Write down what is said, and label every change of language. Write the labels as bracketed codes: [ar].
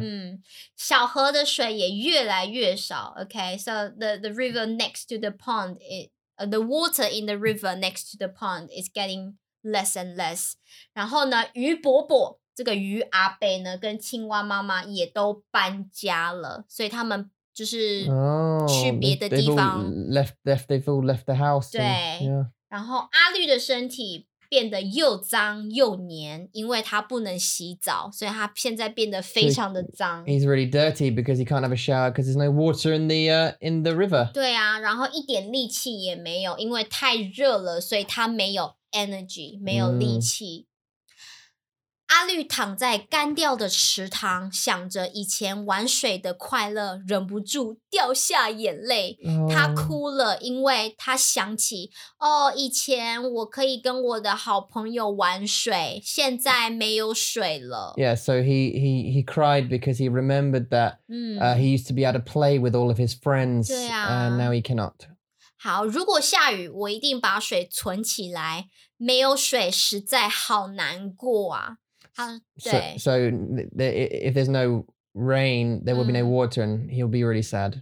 [en] 嗯、 [zh] 小河的水也越来越少 [en] ,okay, so the river next to the pond, the water in the river next to the pond is getting less and less. [zh] 然后呢鱼伯伯这个鱼阿伯呢跟青蛙妈妈也都搬家了。所以他们就是去别的地方。 [en] They've all left the house. 对。And, yeah. [zh] 然后阿绿的身体变得又脏又黏因为他不能洗澡。所以他现在变得非常的脏。 [en] So、he's really dirty because he can't have a shower because there's no water in the river. [zh] 对啊然后一点力气也没有因为太热了所以他没有 energy, 没有力气。 Mm. 阿绿躺在干掉的池塘想着以前玩水的快乐忍不住掉下眼泪、oh. 他哭了因为他想起哦以前我可以跟我的好朋友玩水现在没有水了 [en] Yeah, so he cried because he remembered that、mm. He used to be able to play with all of his friends、啊、 and now he cannot [zh] 好如果下雨我一定把水存起来没有水实在好难过啊 [en] So if there's no rain, there will be no water and he'll be really sad.